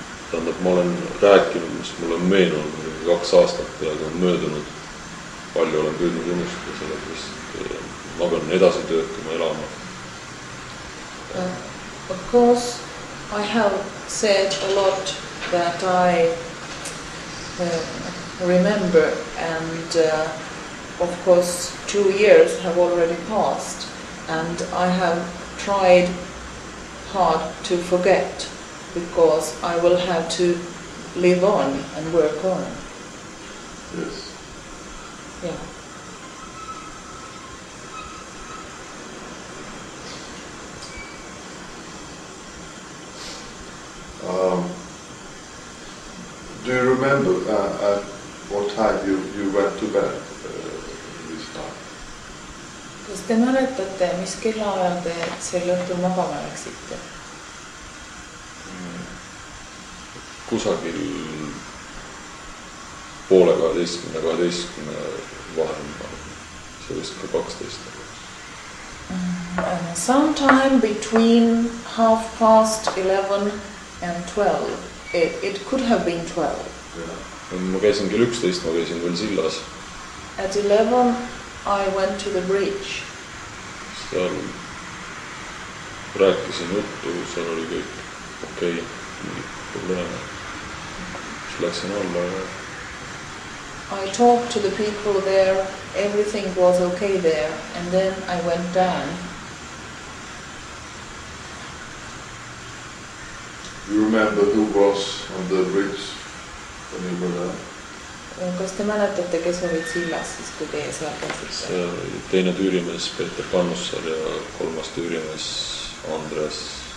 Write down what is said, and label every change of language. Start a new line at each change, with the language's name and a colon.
Estonian: Tähendab, ma olen rääkinud, mis mulle on meenunud, kaks aastat peaga on möödunud. Palju olen püüdnud unustada sellepärast, ma pean edasi töötama elama.
English: Of course, I have said a lot that I remember, and of course 2 years have already passed, and I have tried hard to forget, because I will have to live on and work on. Yes. Yeah. Do you remember at what time you went to bed this time?
Estonian: Kas te mäletate, mis kella ajal te sel õhtul magama läksite? Kusagil poole 12-12 vahel, see vist ka 12.
English: Sometime between 11:30 and 12. It could have been 12.
Estonian: Ma käisin kell 11, ma käisin veel sillas.
English: At 11 I went to the bridge.
Estonian: Seal rääkisin juttu, seal oli kõik okei, probleeme. Läksin alla.
English: I talked to the people there, everything was okay there, and then I went down. You remember who was on the bridge when you were there?
Estonian: Kas te mäletate, kes olid sillas siis, kui teie seal käsite? Teine tüürimees Peter Pannussar ja kolmas tüürimees Andres.